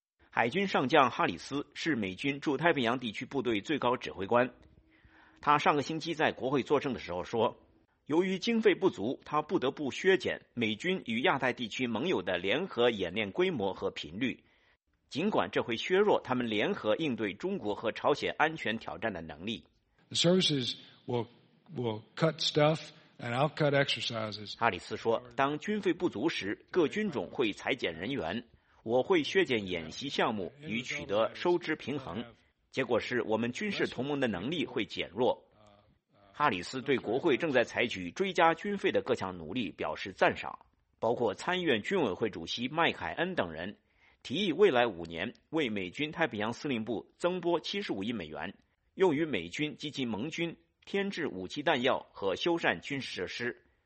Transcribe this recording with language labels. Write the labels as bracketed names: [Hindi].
[Chinese] 海军上将哈里斯是美军驻太平洋地区部队最高指挥官，他上个星期在国会作证的时候说，由于经费不足，他不得不削减美军与亚太地区盟友的联合演练规模和频率，尽管这会削弱他们联合应对中国和朝鲜安全挑战的能力。 [English] The services will cut stuff and I'll cut exercises. [Chinese] 哈里斯说，当军费不足时，各军种会裁减人员，我会削减演习项目以取得收支平衡，结果是我们军事同盟的能力会减弱。哈里斯对国会正在采取追加军费的各项努力表示赞赏，包括参议院军委会主席麦凯恩等人提议未来五年为美军太平洋司令部增拨75亿美元，用于美军及其盟军添置武器弹药和修缮军事设施。